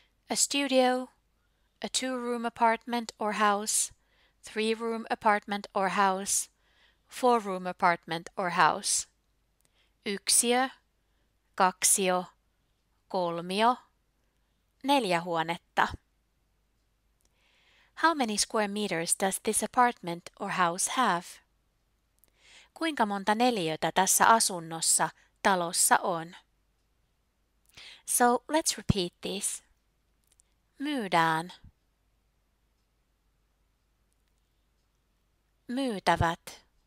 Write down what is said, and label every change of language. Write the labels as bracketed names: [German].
[English] A studio, a two-room apartment or house, three-room apartment or house, four-room apartment or house. [Finnish] Yksiö, kaksio, kolmio, neljä huonetta. [English] How many square meters does this apartment or house have? [Finnish] Kuinka monta neliötä tässä asunnossa, talossa on? [English] So, let's repeat this. [Finnish] Myydään. Myytävät.